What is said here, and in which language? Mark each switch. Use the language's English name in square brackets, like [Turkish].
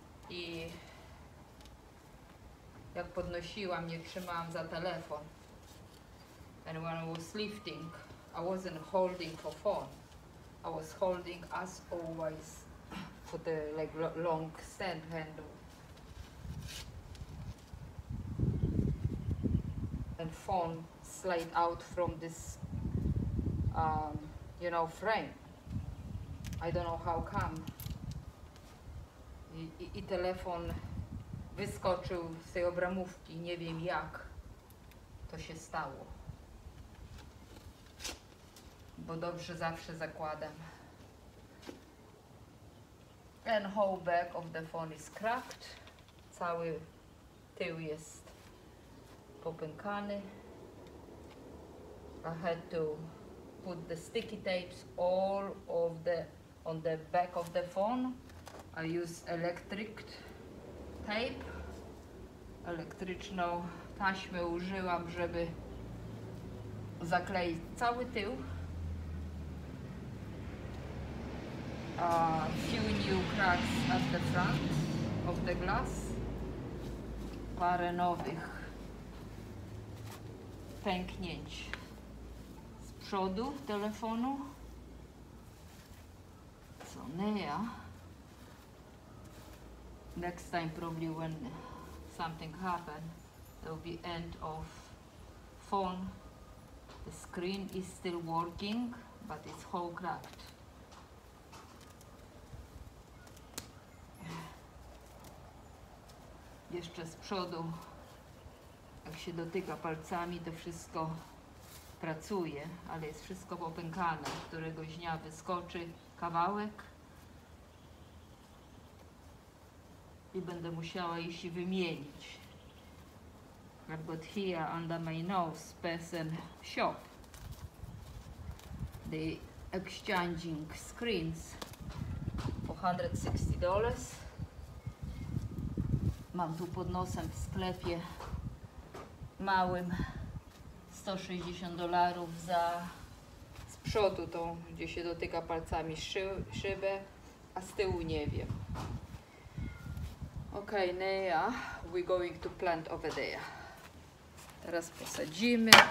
[Polish] I jak podnosiłam, nie trzymałam za telefon. [English] And when I was lifting, I wasn't holding for phone. I was holding, as always, for the like long stand handle. And phone slide out from this, you know, frame. I don't know how come. [Polish] I telefon wyskoczył z tej obramówki, nie wiem jak to się stało. Bo dobrze zawsze zakładam. [English] And whole back of the phone is cracked. [Polish] Cały tył jest popękany. [English] I had to put the sticky tapes all of the on the back of the phone. I use electric tape. [Polish] Elektryczną taśmę użyłam, żeby zakleić cały tył. [English] A few new cracks at the front of the glass. [Polish] Parę nowych pęknięć z przodu telefonu. [English] So now, next time probably when something happens, there will be end of phone. The screen is still working, but it's whole cracked. [Polish] Jeszcze z przodu, jak się dotyka palcami, to wszystko pracuje, ale jest wszystko popękane. Któregoś dnia wyskoczy kawałek i będę musiała iść i wymienić. [English] I've got here under my nose person shop. The exchanging screens for $160. [Polish] Mam tu pod nosem w sklepie małym $160 za z przodu tą, gdzie się dotyka palcami szybę, a z tyłu nie wiem. [English] Okay, Nea, we going to plant over there. [Polish] Teraz posadzimy.